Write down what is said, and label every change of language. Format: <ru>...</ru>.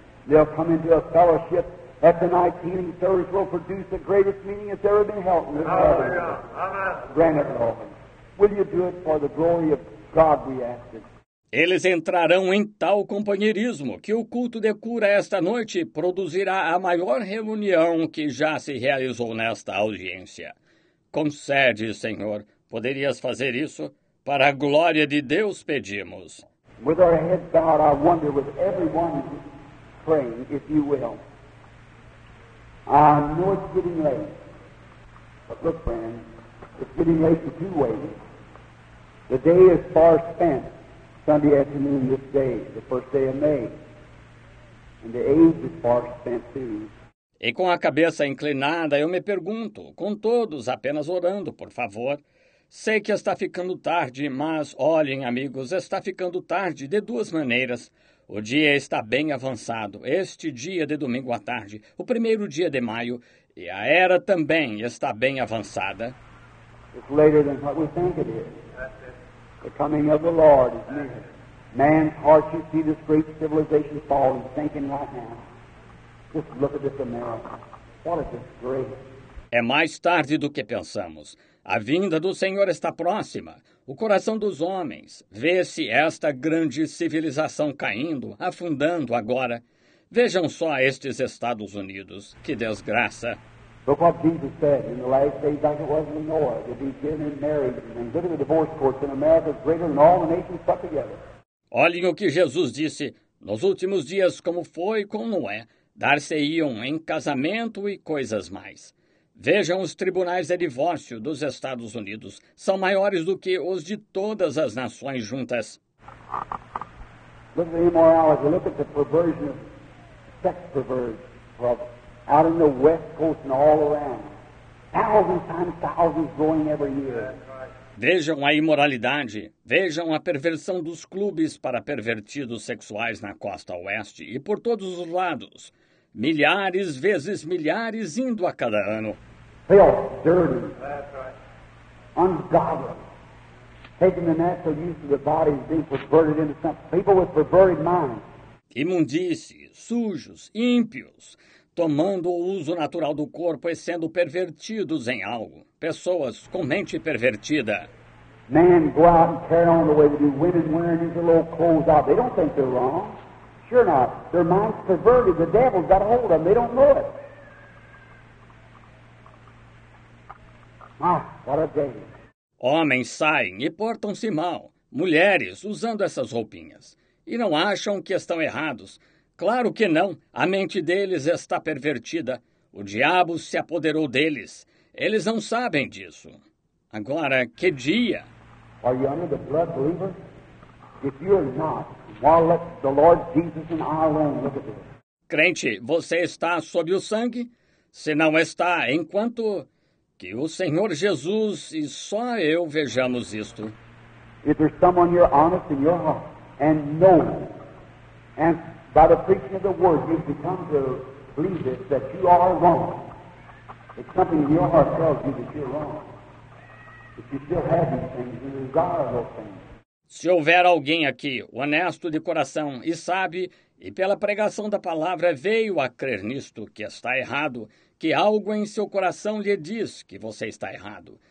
<en>They'll come into a fellowship that tonight's healing service will produce the greatest meeting that's ever been held in this world. Amen. Grant it, Lord. Will you do it for the glory of God, we ask it.</en> <pt>Eles entrarão em tal companheirismo que o culto de cura esta noite produzirá a maior reunião que já se realizou nesta audiência. Concede, Senhor, poderias fazer isso? Para a glória de Deus pedimos.</pt> <en>With our heads bowed, I wonder with everyone praying, if you will. I know it's getting late, but But look, friend, it's getting late to do waiting. The day is far spent. Sunday afternoon this day, the first day of May. And the age is far spent too.</en> <pt>E com a cabeça inclinada, eu me pergunto, com todos apenas orando, por favor. Sei que está ficando tarde, mas, olhem, amigos, está ficando tarde de duas maneiras. O dia está bem avançado, este dia de domingo à tarde, o primeiro dia de maio, e a era também está bem avançada.</pt> <en>It's later than what we think it is. The coming of the Lord is near. Man's heart, you see this great civilization falling, thinking right now. Just look at this America. What a disgrace.</en> <pt>É mais tarde do que pensamos. A vinda do Senhor está próxima. O coração dos homens vê-se esta grande civilização caindo, afundando agora. Vejam só estes Estados Unidos. Que desgraça.</pt> <en>Look what Jesus said in the last days, like it was in Noah, to be given in marriage and given the divorce courts in America is greater than all the nations put together.</en> <pt>Olhem o que Jesus disse. Nos últimos dias, como foi com Noé, dar-se-iam em casamento e coisas mais. Vejam os tribunais de divórcio dos Estados Unidos. São maiores do que os de todas as nações juntas.</pt> <en>Look at the immorality. Look at the perversion of sex perversion. Out in the West Coast and all around. Thousands times thousands going every year.</en> <pt>Vejam a imoralidade, vejam a perversão dos clubes para pervertidos sexuais na costa oeste e por todos os lados. Milhares vezes milhares indo a cada ano.</pt> <en>Filth, dirty, ungodly. Taking the natural use of the body and being perverted into something. People with perverted minds.</en> <pt>Imundice, sujos, ímpios. Tomando o uso natural do corpo e sendo pervertidos em algo. Pessoas com mente pervertida.</pt> <en>Men go out and carry on the way they do. Women wearing these little clothes out. They don't think they're wrong. Sure not. Their mind's perverted. The devil's got a hold of them. They don't know it. Ah, what a day.</en> <pt>Homens saem e portam-se mal. Mulheres usando essas roupinhas. E não acham que estão errados. Claro que não. A mente deles está pervertida. O diabo se apoderou deles. Eles não sabem disso. Agora, que dia?</pt> <en>Are you under the blood, believer? If you are not, while let the Lord Jesus and I alone look at this.</en> <pt>Crente, você está sob o sangue? Se não está, enquanto que o Senhor Jesus e só eu vejamos isto.</pt> <en>If there's someone here honest in your heart and know and by the preaching of the word, you've become to believe this, that you are wrong. It's something in your heart tells you that you're wrong. If you still have these things, you regard those things.</en> <pt>Se houver alguém aqui, honesto de coração e sabe, e pela pregação da palavra veio a crer nisto, que está errado, que algo em seu coração lhe diz que você está errado.</pt>